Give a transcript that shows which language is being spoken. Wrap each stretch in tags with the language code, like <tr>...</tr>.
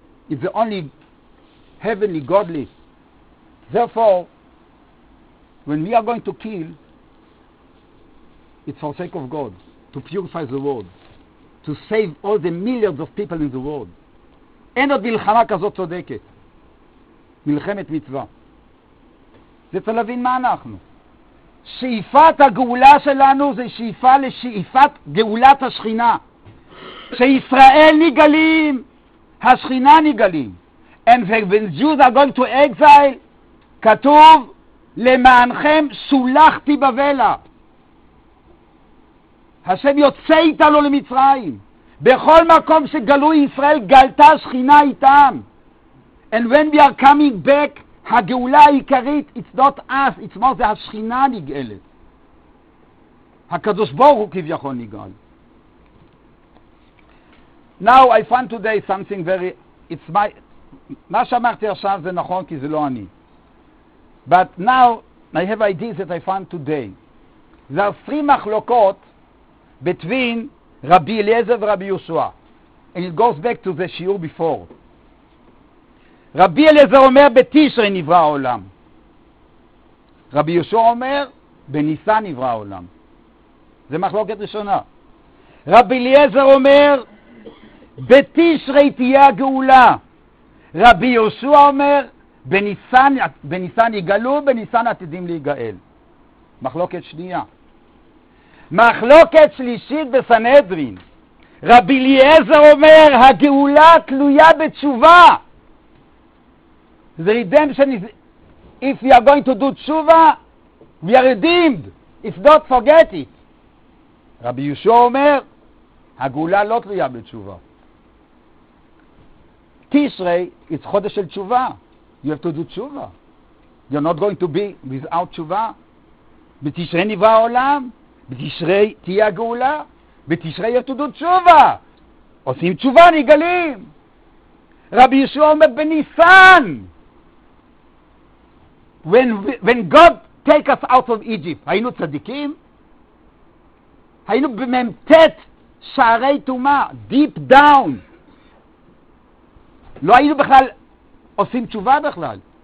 <en>It's the only heavenly, godly. Therefore, when we are going to kill, it's for sake of God, to purify the world, to save all the millions of people in the world.</en> <he>אין עוד מלחמה כזאת צודקת. מלחמת מצווה. זה צריך להבין מה אנחנו. שאיפת הגאולה שלנו זה שאיפה לשאיפת גאולת השכינה. שישראל נגלים, השכינה נגלים.</he> <en>And when Jews are going to exile,</en> <he>כתוב, למענכם סולחתי בבלה. השם יוצא איתנו למצרים. בכל מקום שגלו ישראל, גלתה שכינה איתם.</he> <en>And when we are coming back,</en> <he>הגאולה העיקרית,</he> <en>it's not us, it's more,</en> <he>זה השכינה נגאלת. הקדוש ברוך הוא כביכול נגאל.</he> <en>Now I found today something very, it's my,</en> <he>מה שאמרתי עכשיו זה נכון כי זה לא אני.</he> <en>But now I have ideas that I found today.</en> <he>זה 20 מחלוקות</he> <en>between</en> <he>רבי אליעזר ורבי יהושע.</he> <en>And it goes back to the שיעור before.</en> <he>רבי אליעזר אומר בתשרי נברא העולם. רבי יהושע אומר בניסן נברא העולם. זה מחלוקת ראשונה. רבי אליעזר אומר בתשרי תהיה הגאולה. רבי יהושע אומר בניסן יגלו, בניסן עתידים להיגאל. מחלוקת שנייה. מחלוקת שלישית בסנהדרין. רבי אליעזר אומר הגאולה תלויה בתשובה.</he> <en>The redemption is, if we are going to do tshuva, we are redeemed. If not, forget it.</en> <he>Rabbi Yeshua אומר, הגאולה לא תלויה בתשובה. Tishrei is חודש של תשובה.</he> <en>You have to do tshuva. You're not going to be without tshuva.</en> <he>בתשרי נברא העולם, בתשרי תהיה הגאולה, בתשרי</he> <en>you have to do tshuva.</en> <he>עושים תשובה, נגלים. Rabbi Yeshua אומר, בניסן.</he> <en>When God take us out of Egypt,</en> <he>היינו צדיקים? היינו בממתת שערי תומה,</he> <en>deep down.</en> <he>לא היינו בכלל עושים תשובה בכלל.</he>